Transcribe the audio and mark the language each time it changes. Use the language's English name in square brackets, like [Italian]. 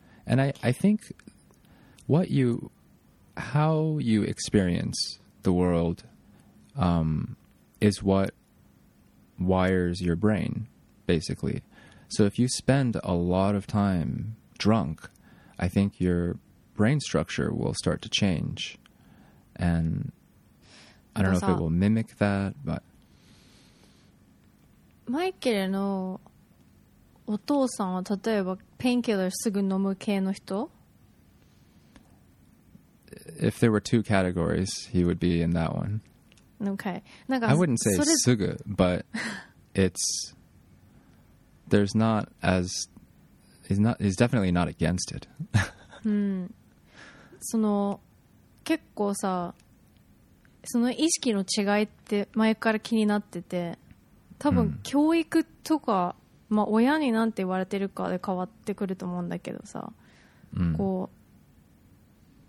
[English] And I think how you experience the world is what wires your brain, basically. So if you spend a lot of time drunk, I think your brain structure will start to change. And I don't know if it will mimic that, but... Michael, no... [Japanese] お父さんは例えばペインキラーすぐ飲む系の人？ [English] If there were two categories, he would be in that one. Okay. なんか I wouldn't say [Japanese] すぐ, [English] but it's there's not as he's not he's definitely not against it. [Japanese] うん。その結構さ、その意識の違いって前から気になってて、多分教育とか。まあ、親になんて言われてるかで変わってくると思うんだけどさ、こう